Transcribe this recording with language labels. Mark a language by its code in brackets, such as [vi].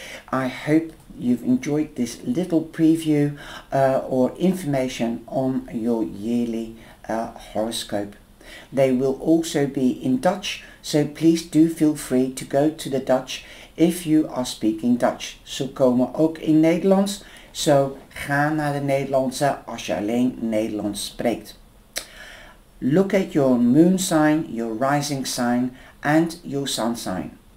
[en] I hope you've enjoyed this little preview or information on your yearly horoscope. They will also be in Dutch, so please do feel free to go to the Dutch if you are speaking Dutch. [nl] Ze komen ook in Nederlands, so ga naar de Nederlandse als je alleen Nederlands spreekt. [en] Look at your moon sign, your rising sign, and your sun sign.